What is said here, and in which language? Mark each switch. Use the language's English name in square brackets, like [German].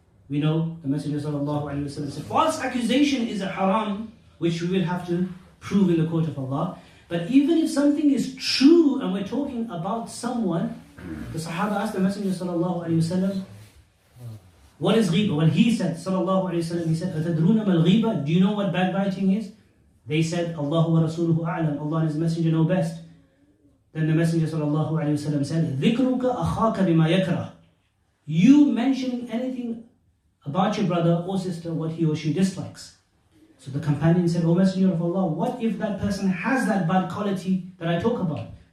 [English] We know the Messenger sallallahu alayhi wa sallam said, false accusation is a haram, which we will have to prove in the court of Allah. But even if something is true and we're talking about someone, the Sahaba asked the Messenger sallallahu alayhi wa sallam, what is ghiba? Well, he said, sallallahu alayhi wa sallam, he said, [Arabic] أَتَدْرُونَ مَا الْغِيبَ? [English] Do you know what backbiting is? They said, [Arabic] اللَّهُ وَرَسُولُهُ أَعْلَمْ. [English] Allah and His Messenger know best. Then the Messenger sallallahu alayhi wa sallam said, [Arabic] ذِكْرُكَ أَخَاكَ بِمَا يَكْرَى. [English] You mentioning anything about your brother or sister, what he or she dislikes. So the companion said, O Messenger of Allah, what if that person has that bad quality that I talk about?